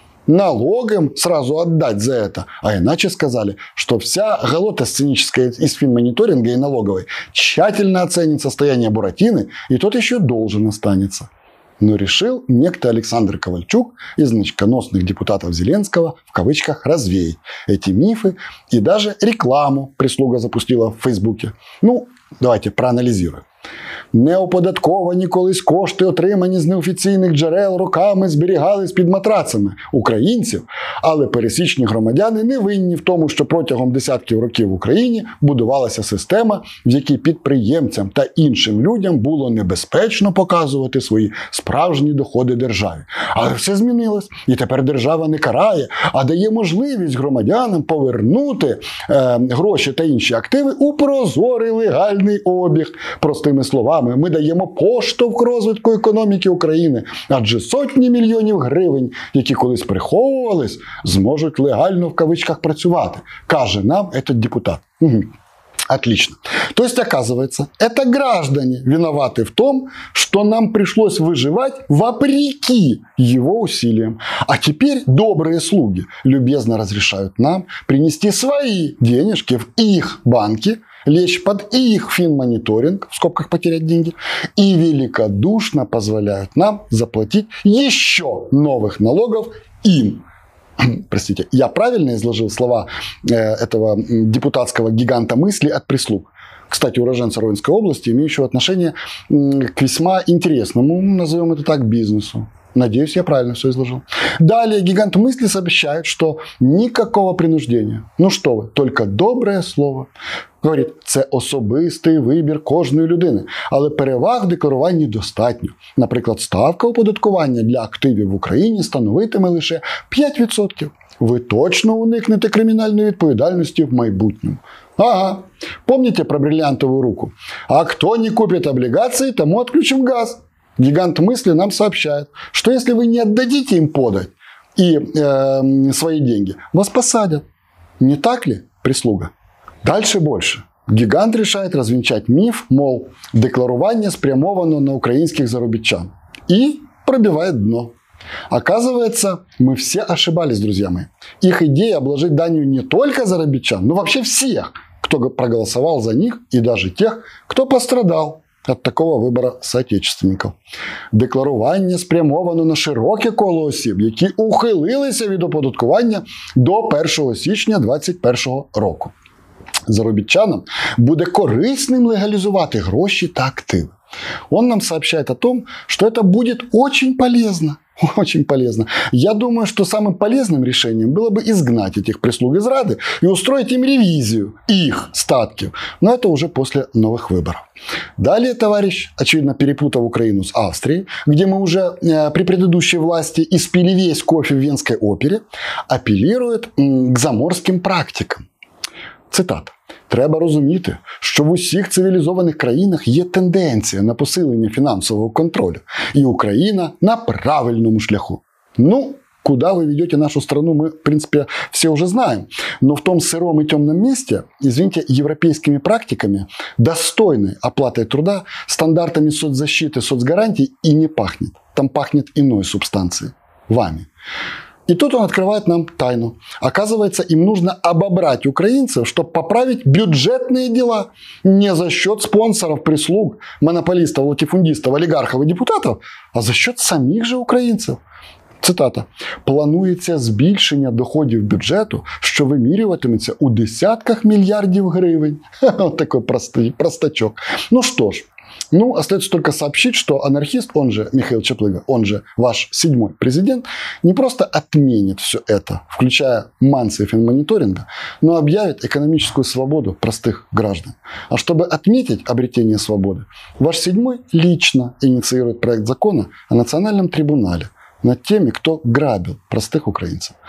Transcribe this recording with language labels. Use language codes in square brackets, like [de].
[ru] Налогом сразу отдать за это. А иначе сказали, что вся голота сценическая из финмониторинга и налоговой тщательно оценит состояние Буратины, и тот еще должен останется. Но решил некто Александр Ковальчук из значконосных депутатов Зеленского в кавычках развеять эти мифы, и даже рекламу прислуга запустила в Фейсбуке. Ну, давайте проанализируем. [uk] Неоподатковані колись кошти, отримані з неофіційних джерел, роками зберігались під матрацами українців, але пересічні громадяни не винні в тому, що протягом десятків років в Україні будувалася система, в якій підприємцям та іншим людям було небезпечно показувати свої справжні доходи державі. Але все змінилось, і тепер держава не карає, а дає можливість громадянам повернути гроші та інші активи у прозорий легальний обіг. Простими словами, ми даємо поштовх розвитку економіки України, адже сотні мільйонів гривень, які колись приховувались, зможуть легально в кавичках працювати, каже нам этот депутат. [ru] Отлично. То есть, оказывается, это граждане виноваты в том, что нам пришлось выживать вопреки его усилиям. А теперь добрые слуги любезно разрешают нам принести свои денежки в их банки, лечь под их финмониторинг, в скобках потерять деньги, и великодушно позволяют нам заплатить еще новых налогов им. Простите, я правильно изложил слова этого депутатского гиганта мысли от прислуг? Кстати, уроженца Ровенской области, имеющего отношение к весьма интересному, назовем это так, бизнесу. Надеюсь, я правильно все изложил. Далее гигант мысли сообщает, что никакого принуждения. Ну что вы, только доброе слово. [uk] Говорит, це особистий вибір кожної людини, але переваг декларування достатньо. Наприклад, ставка оподаткування для активів в Україні становитиме лише 5%. Ви точно уникнете кримінальної відповідальності в майбутньому. [ru] Ага, помните про бриллиантовую руку? А кто не купит облигации, тому отключим газ. Гигант мысли нам сообщает, что если вы не отдадите им подать и свои деньги, вас посадят. Не так ли, прислуга? Дальше больше. Гигант решает развенчать миф, мол, [uk] декларування спрямовано на українських заробітчан. І пробиває дно. [ru] Оказывается, мы все ошибались, друзья мои. Их идея обложить данью не только заробітчан, но вообще всех, кто проголосовал за них, и даже тех, кто пострадал от такого выбора соотечественников. [uk] Декларування спрямовано на широке коло осіб, які ухилилися від оподаткування до 1 січня 2021 року. Заробітчанам буде корисним легалізувати гроші та активи. [ru] Он нам сообщает о том, что это будет очень полезно. Очень полезно. Я думаю, что самым полезным решением было бы изгнать этих прислуг из Рады и устроить им ревизию их статков. Но это уже после новых выборов. Далее, товарищ, очевидно, перепутав Украину с Австрией, где мы уже при предыдущей власти испили весь кофе в Венской опере, апеллирует к заморским практикам. Цитата. [uk] Треба розуміти, що в усіх цивілізованих країнах є тенденція на посилення фінансового контролю. І Україна на правильному шляху. Ну, куди ви ведете нашу страну, ми, в принципі, всі вже знаємо. Но в тому сирому і темному місці, извините, європейськими практиками, достойною оплатою труда, стандартами соцзащити, соцгарантій і не пахне. Там пахне іною субстанцією – вами. [ru] И тут он открывает нам тайну. Оказывается, им нужно обобрать украинцев, чтобы поправить бюджетные дела. Не за счет спонсоров, прислуг, монополистов, латифундистов, олигархов и депутатов, а за счет самих же украинцев. Цитата. [uk] «Планується збільшення доходів бюджету, що вимірюватиметься у десятках мільярдів гривень». [ru] Вот такой простачок. Ну что ж. Ну, остается только сообщить, что анархист, он же Михаил Чаплыга, он же ваш седьмой президент, не просто отменит все это, включая мансы финмониторинга, но объявит экономическую свободу простых граждан. А чтобы отметить обретение свободы, ваш седьмой лично инициирует проект закона о национальном трибунале над теми, кто грабил простых украинцев.